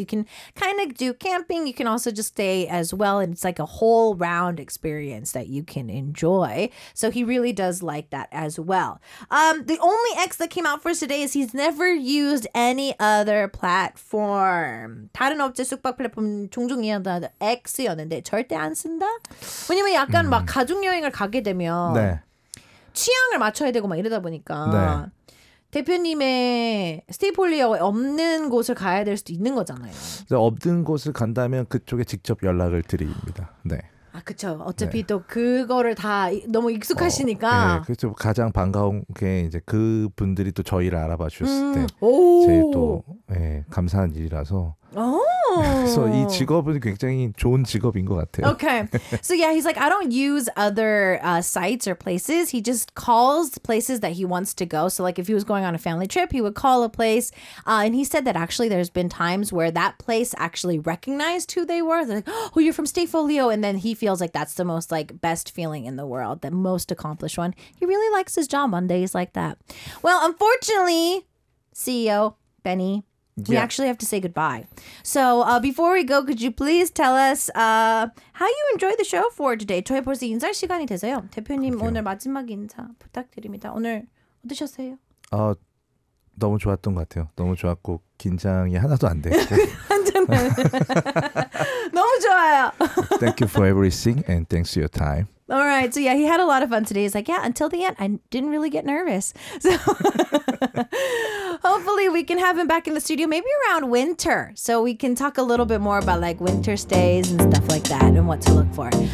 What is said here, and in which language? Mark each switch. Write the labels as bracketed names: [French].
[English] You can kind of do camping. You can also just stay as well. And it's like a whole round experience that you can enjoy. So he really does like that as well. The only X that came out for us today is he's never used any other platform. [Korean] 다른 업체 숙박 플랫폼 종종 이용하다 X였는데 절대 안 쓴다? 왜냐면 약간 막 가족여행을 가게 되면 네. 취향을 맞춰야 되고 막 이러다 보니까 네. 대표님의 스테이폴리오에 없는 곳을 가야 될 수도 있는 거잖아요. 없는 곳을 간다면 그쪽에 직접 연락을 드립니다. 네. 아 그렇죠. 어차피 네. 또 그거를 다 너무 익숙하시니까. 네, 그렇죠. 가장 반가운 게 이제 그 분들이 또 저희를 알아봐 주셨을 때 제일 또 네, 감사한 일이라서. 그래서 이 직업은 굉장히 좋은 직업인 것 같아요. [English] Okay. So yeah, he's like, I don't use other sites or places. He just calls places that he wants to go. So like if he was going on a family trip, he would call a place. And he said that actually there's been times where that place actually recognized who they were. They're like, oh, you're from Stayfolio. And then he feels like that's the most like best feeling in the world, the most accomplished one. He really likes his job on days like that. Well, unfortunately, CEO Benny, we yeah. actually have to say goodbye. So before we go, could you please tell us how you enjoyed the show for today? [Korean] 저희 벌써 인사할 시간이 됐어요. 대표님 그렇게요. 오늘 마지막 인사 부탁드립니다. 오늘 어떠셨어요? 너무 좋았던 것 같아요. 너무 좋았고 긴장이 하나도 안 됐고. 한참은. 너무 좋아요. [English] Thank you for everything and thanks for your time. All right. So yeah, he had a lot of fun today. He's like, yeah, until the end, I didn't really get nervous. So hopefully we can have him back in the studio, maybe around winter. So we can talk a little bit more about like winter stays and stuff like that and what to look for.